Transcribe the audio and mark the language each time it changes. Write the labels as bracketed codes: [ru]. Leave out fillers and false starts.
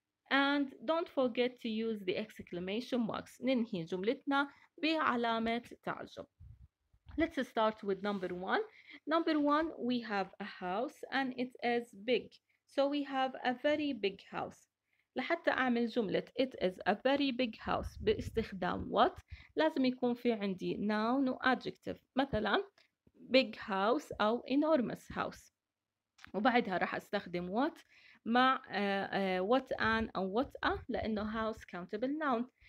[en] And don't forget to use the exclamation marks. [ar] ننهي جملتنا بعلامة تعجب. [en] Let's start with number 1. Number 1, we have a house and it is big. So we have a very big house. [ar] لحتى أعمل جملة [en] it is a very big house [ar] باستخدام what لازم يكون في عندي noun و adjective. [en] مثلا big house أو enormous house. [ar] وبعدها رح أستخدم what مع [en] what an [ar] أو [en] what a [ar] لأنه house countable noun.